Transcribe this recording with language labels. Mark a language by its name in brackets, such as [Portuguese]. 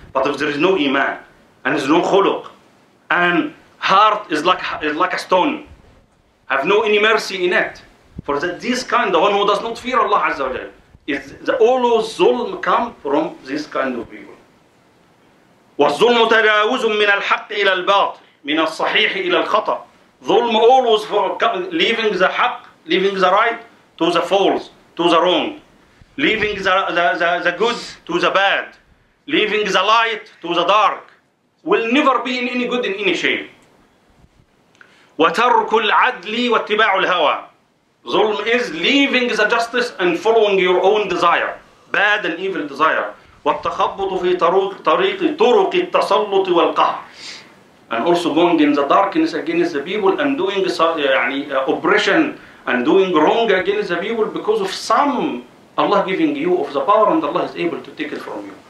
[English] But if there is no iman, and there is no khuluq, and heart is like a stone, have no any mercy in it. For that, this kind, the one who does not fear Allah [Arabic] Azza wa Jal, [English] is the all of zulm come from this kind of people. [Arabic] والظلم تجاوز من الحق إلى الباطل من الصحيح إلى الخطأ. [English] ظلم always for leaving the حق, leaving the right to the false, to the wrong, leaving the good to the bad, leaving the light to the dark, will never be in any good in any shape. [Arabic] وترك العدل واتباع الهوى. [English] ظلم is leaving the justice and following your own desire, bad and evil desire. [Arabic] والتخبط في طرق التسلط والقهر. [English] And also going in the darkness against the people and doing oppression and doing wrong against the people because of some Allah giving you of the power and Allah is able to take it from you.